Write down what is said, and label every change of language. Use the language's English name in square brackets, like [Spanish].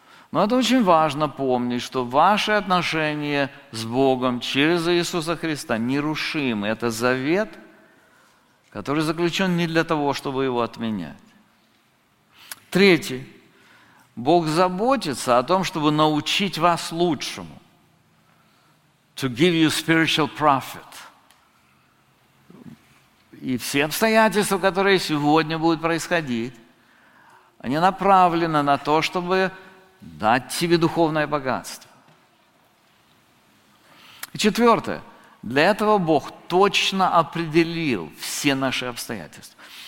[Russian] Но это очень важно помнить, что ваши отношения с Богом через Иисуса Христа нерушимы. Это завет, который заключен не для того, чтобы его отменять. Третий. Бог заботится о том, чтобы научить вас лучшему. [English] To give you spiritual profit. [Russian] И все обстоятельства, которые сегодня будут происходить, они направлены на то, чтобы дать тебе духовное богатство. И четвертое. Для этого Бог точно определил все наши обстоятельства.